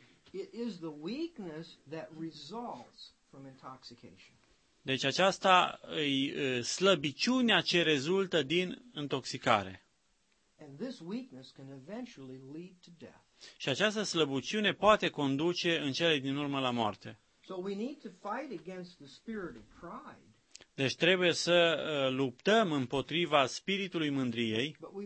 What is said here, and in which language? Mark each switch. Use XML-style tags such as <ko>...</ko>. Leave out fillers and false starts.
<en>It is the weakness that results from intoxication.</en> <ro>Deci aceasta e slăbiciunea ce rezultă din intoxicare.</ro> <en>And this weakness can eventually lead to death.</en> <ro>Și această slăbiciune poate conduce în cele din urmă la moarte.</ro> <en>So we need to fight against the spirit of pride.</en> <ro>Deci trebuie să luptăm împotriva spiritului mândriei.</ro>